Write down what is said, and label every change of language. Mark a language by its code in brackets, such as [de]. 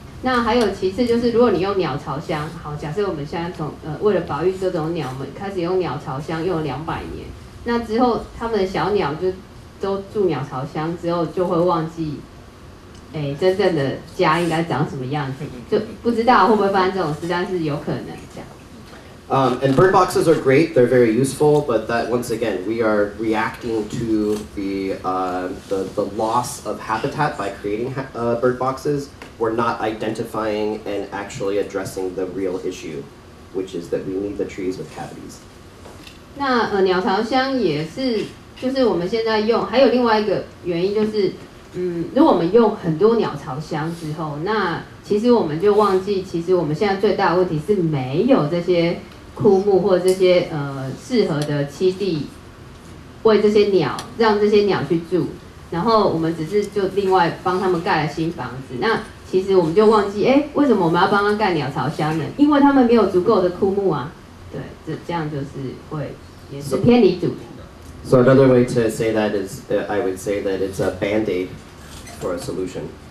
[zh] 那还有其次就是如果你用鸟巢箱，好，假设我们现在从为了保育这种鸟，我们开始用鸟巢箱用了200年，那之后他们的小鸟就都住鸟巢箱之后就会忘记真正的家应该长什么样子，就不知道会不会发生这种事，但是有可能这样。 [en] And bird boxes are great, they're very useful, but that, once again, we are reacting to the loss of habitat by creating bird boxes. We're not identifying and actually addressing the real issue, which is that we need the trees with cavities. [zh] 那鸟巢箱也是，就是我们现在用，还有另外一个原因就是，如果我们用很多鸟巢箱之后，那其实我们就忘记，其实我们现在最大的问题是没有这些枯木或者这些适合的栖地，为这些鸟，让这些鸟去住，然后我们只是就另外帮他们盖了新房子。那其实我们就忘记，为什么我们要帮他盖鸟巢箱呢？因为他们没有足够的枯木啊。对，这样就是会也是偏离主题。 [en] So another way to say that is, I would say that it's a band-aid for a solution.